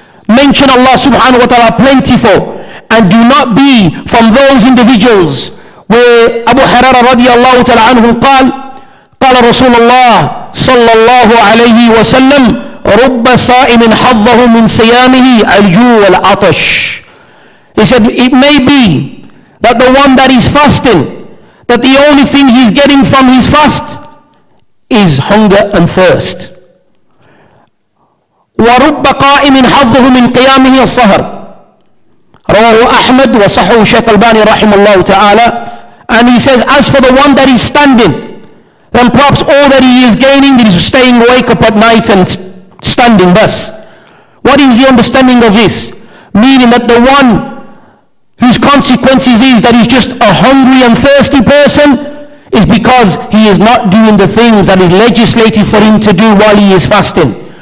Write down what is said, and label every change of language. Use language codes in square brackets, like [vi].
[en] Mention Allah subhanahu wa ta'ala plentiful. And do not be from those individuals where Abu Hurairah radiallahu ta'ala anhu [ar] قال رسول الله صلى الله عليه وسلم رب صائم حظه من صيامه الجوع والعطش. [en] He said, it may be that the one that is fasting, that the only thing he's getting from his fast is hunger and thirst. [ar] ورب قائم حظه من قيامه الصهر. رواه أحمد وصحه الشيخ الباني رحمه الله تعالى. [en] And he says, as for the one that is standing, then perhaps all that he is gaining is staying awake up at night and standing thus. What is the understanding of this? Meaning that the one whose consequences is that he's just a hungry and thirsty person is because he is not doing the things that is legislated for him to do while he is fasting.